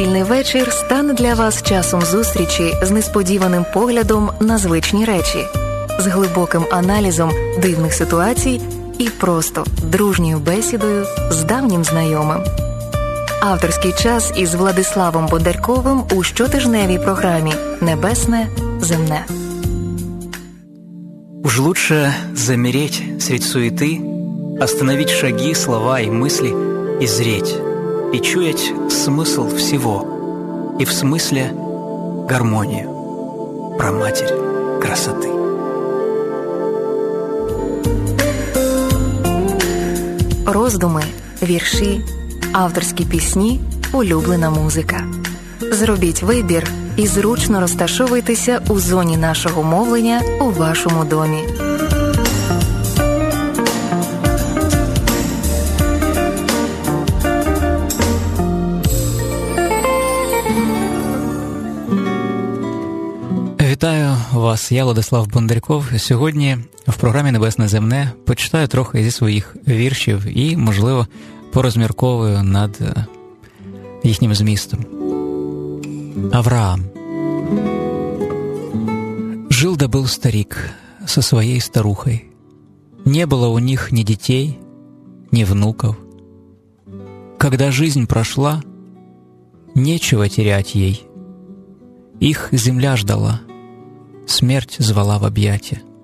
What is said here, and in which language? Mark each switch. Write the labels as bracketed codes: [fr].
[uk] вечір стане для вас часом зустрічі з несподіваним поглядом на звичні речі, з глибоким аналізом дивних ситуацій і просто дружньою бесідою з давнім знайомим. Авторський час із Владиславом Бондарковим у щотижневій програмі «Небесне, земне». [ru] Уж лучше замереть средь суеты, остановить шаги, слова и мысли, и зреть, и чуять смысл всего, и в смысле гармонию, праматерь красоты. [uk] Роздуми, вірші, авторські пісні, улюблена музика. Зробіть вибір і зручно розташовуйтеся у зоні нашого мовлення у вашому домі. Вітаю вас, я Владислав Бондарьков. Сьогодні в програмі «Небесне земне» почитаю трохи зі своїх віршів і, можливо, порозмірковую над їхнім змістом. Авраам. [ru] Жил да был старик со своей старухой. Не было у них ни детей, ни внуков. Когда жизнь прошла, нечего терять ей. Их земля ждала, смерть звала в объятия.